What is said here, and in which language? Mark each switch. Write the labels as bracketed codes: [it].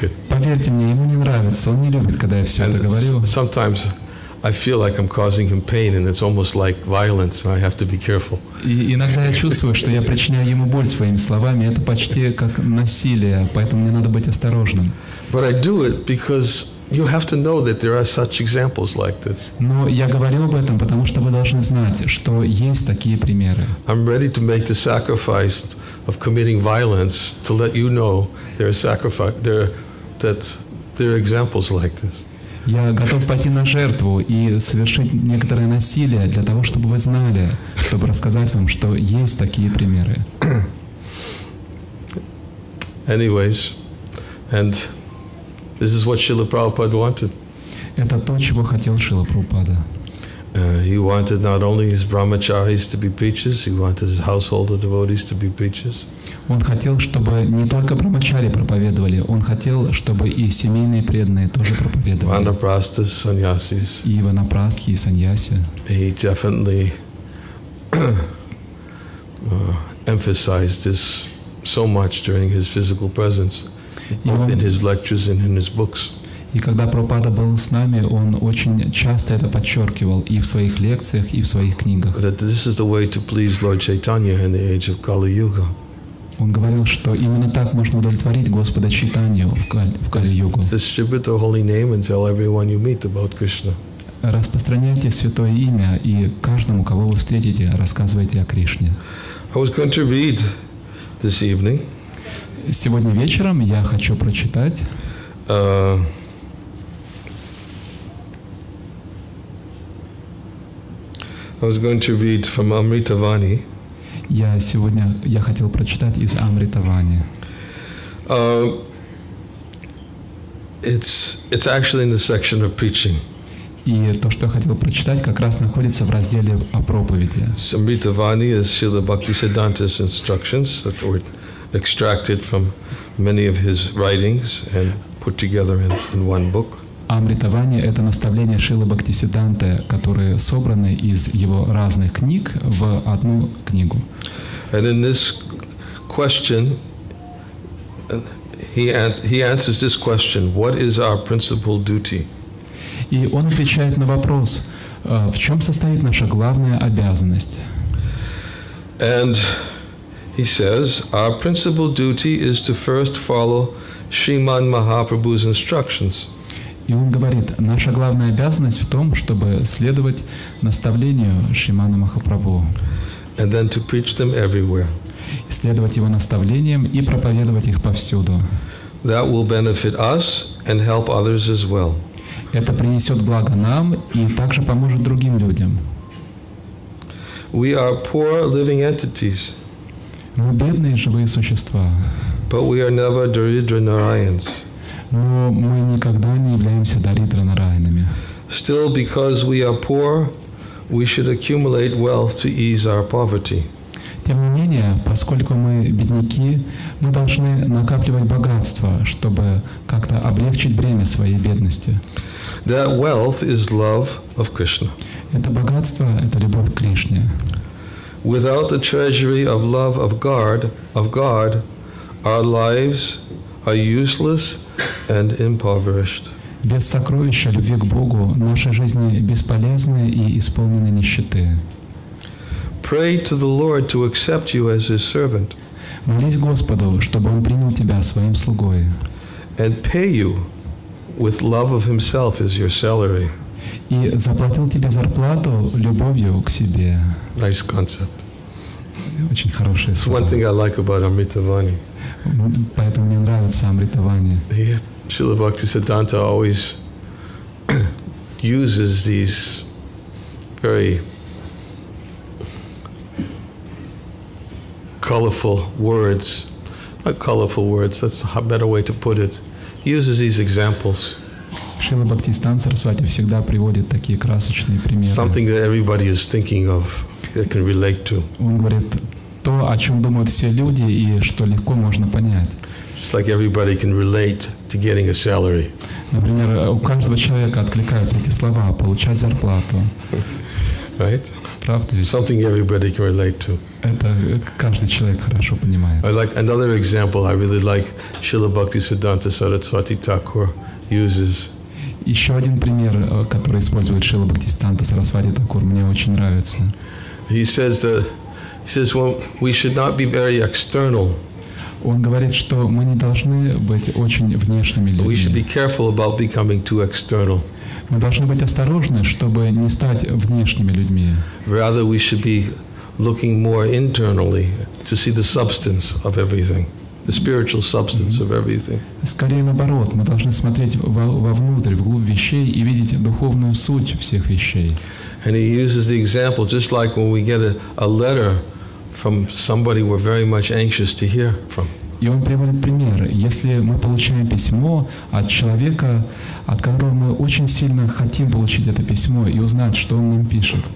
[ru] Поверьте мне, ему не нравится, он не любит, когда я все это говорю. [en] Sometimes I feel like I'm causing him pain, and it's almost like violence, and I have to be careful. [ru] И иногда я чувствую, что я причиняю ему боль своими словами, это почти как насилие, поэтому мне надо быть осторожным. [en] But I do it because you have to know that there are such examples like this. [ru] Но я говорю об этом, потому что вы должны знать, что есть такие примеры. [en] I'm ready to make the sacrifice of committing violence to let you know there are examples like this. [ru] Я готов пойти на жертву и совершить некоторое насилие для того, чтобы вы знали, чтобы рассказать вам, что есть такие примеры. [en] Anyways, and this is what Srila Prabhupada wanted. [ru] Это то, чего хотел Шрила Прабхупада. [en] He wanted not only his brahmacharis to be preachers, he wanted his household of devotees to be preachers. [ru] Он хотел, чтобы не только брахмачари проповедовали, он хотел, чтобы и семейные преданные тоже проповедовали. [en] Ванапрастхи и саньясис. [ru] И ванапрастхи и саньяси. [en] He definitely emphasized this so much during his physical presence, both in his lectures and in his books. [ru] И когда Прабхупада был с нами, он очень часто это подчеркивал и в своих лекциях, и в своих книгах. [en] That this is the way to please Lord Chaitanya in the age of Kali Yuga. [ru] Он говорил, что именно так можно удовлетворить Господа Чайтанью в Кали-Югу. [en] Distribute the holy name and tell everyone you meet about Krishna. [ru] Распространяйте святое имя и каждому, кого вы встретите, рассказывайте о Кришне. [en] I was going to read this evening. [ru] Сегодня вечером я хочу прочитать. [en] I was going to read from Amrita Vani. [ru] Я хотел прочитать из Амрита Вани. [en] It's actually in the section of preaching. [ru] И то, что я хотел прочитать, как раз находится в разделе о проповеди. [en] Amrita Vani is Srila Bhaktisiddhanta's instructions that were extracted from many of his writings and put together in one book. [ru] Амрита Вани — это наставления Шрилы Бхактисиддханты, которые собраны из его разных книг в одну книгу. [en] And in this question, he answers this question: what is our principal duty? [ru] И он отвечает на вопрос: в чем состоит наша главная обязанность? [en] And he says, our principal duty is to first follow Shriman Mahaprabhu's instructions. [ru] И он говорит, наша главная обязанность в том, чтобы следовать наставлению Шримана Махапрабху. [en] And then to preach them everywhere. [ru] Следовать его наставлениям и проповедовать их повсюду. [en] That will benefit us and help others as well. [ru] Это принесет благо нам и также поможет другим людям. [en] We are poor living entities. [ru] Мы бедные живые существа. [en] But we are never Daridra Narayans. [ru] Но мы никогда не являемся даридра-нараянами. [en] Still, because we are poor, we should accumulate wealth to ease our poverty. [ru] Тем не менее, поскольку мы бедняки, мы должны накапливать богатство, чтобы как-то облегчить бремя своей бедности. [en] That wealth is love of Krishna. [ru] Это богатство — это любовь к Кришне. [en] Without the treasury of love of God, our lives are useless and impoverished. [ru] Без сокровища любви к Богу наши жизни бесполезны и исполнены нищеты. [en] Pray to the Lord to accept you as His servant. [ru] Молись Господу, чтобы Он принял тебя своим слугой. [en] And pay you with love of Himself as your salary. [ru] И заплатил тебе зарплату любовью к себе. [en] Nice concept. [ru] Очень хорошее слово. [en] It's one thing I like about Amrita Vani. [ru] Поэтому мне нравится Амрита Вани. [en] Шрила Бхактисиддханта always uses these very colorful words. Not colorful words, that's a better way to put it. He uses these examples. [ru] Шрила Бхактисиддханта Сарасвати всегда приводит такие красочные примеры. [en] Something that everybody is thinking of, that can relate to. [ru] Он говорит то, о чем думают все люди и что легко можно понять. [en] It's like everybody can relate to getting a salary. [ru] Например, у каждого человека откликаются эти слова — получать зарплату. [en] Right? [ru] Правда ведь? [en] Something everybody can relate to. [ru] Это каждый человек хорошо понимает. [en] I like another example I really like Srila Bhaktisiddhanta Sarasvati Thakur uses. [ru] Еще один пример, который использует Шрила Бхактисиддханта Сарасвати Такур, мне очень нравится. [en] He says that He says, well, we should not be very external. [ru] Он говорит, что мы не должны быть очень внешними людьми. [en] We should be careful about becoming too external. [ru] Мы должны быть осторожны, чтобы не стать внешними людьми. [en] Rather, we should be looking more internally to see the substance of everything, the spiritual substance of everything. [ru] Скорее наоборот, мы должны смотреть вовнутрь, вглубь вещей и видеть духовную суть всех вещей. [en] And he uses the example, just like when we get a letter from somebody we're very much anxious to hear from. [ru] И он приводит пример. Если мы получаем письмо от человека, от которого мы очень сильно хотим получить это письмо и узнать, что он нам пишет.